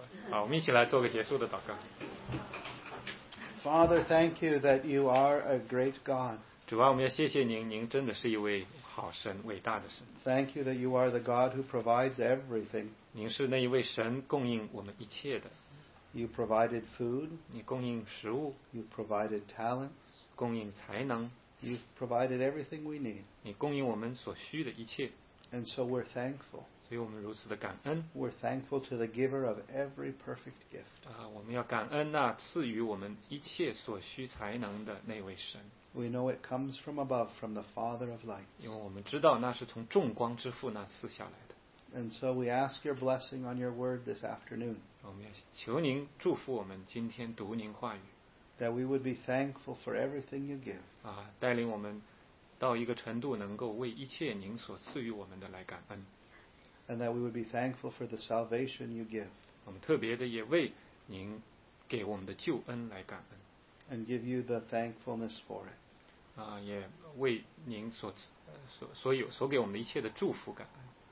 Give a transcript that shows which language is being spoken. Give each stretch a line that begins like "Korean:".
Chinese: 好，我们一起来做个结束的祷告。
English: Father, thank you that you are a great God.
Chinese: 主啊，我们要谢谢您，您真的是一位。好神，伟大的神。
English: Thank you that you are the God who provides everything.
Chinese: 您是那一位神，供应我们一切的。
English: You provided food.
Chinese: 你供应食物。
English: You provided talents.
Chinese: 供应才能。
English: You provided everything we need.
Chinese: 你供应我们所需的一切。
English: And so we're thankful.
Chinese: 所以我们如此的感恩。
English: We're thankful to the giver of every perfect gift.
Chinese: 我们要感恩那赐予我们一切所需才能的那位神。
English: We know it comes from above, from the Father of lights.
Chinese: 因为我们知道那是从众光之父那赐下来的。
English: And so we ask your blessing on your word this afternoon.
Chinese: 我们要求您祝福我们今天读您话语。
English: That we would be thankful for everything you give.
Chinese: 带领我们到一个程度能够为一切您所赐予我们的来感恩。
English: And that we would be thankful for the salvation you give.
Chinese: 我们特别的也为您给我们的救恩来感恩。
English: And give you the thankfulness for it.
Chinese: 也为您所给我们一切的祝福感恩。